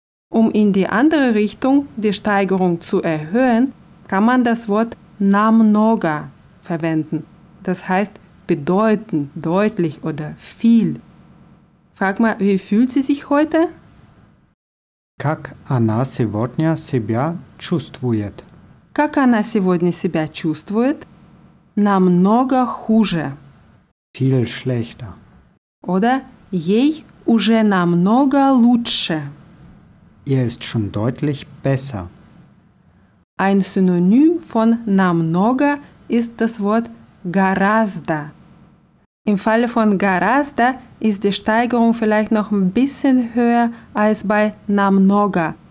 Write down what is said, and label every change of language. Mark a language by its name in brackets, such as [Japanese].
[German] Um in die andere Richtung die Steigerung zu erhöhen, kann man das Wort намного verwenden. Das heißt bedeuten, deutlich oder viel. Frag mal, wie fühlt sie sich heute? [Russian] Как она сегодня себя чувствует? Как она сегодня себя чувствует? Намного хуже. [German] Viel schlechter. [Russian] Oder ей уже намного лучше. [German] Ihr ist schon deutlich besser. Ein Synonym von намного ist das Wort гораздо. Im Falle von гораздо ist die Steigerung vielleicht noch ein bisschen höher als bei намного.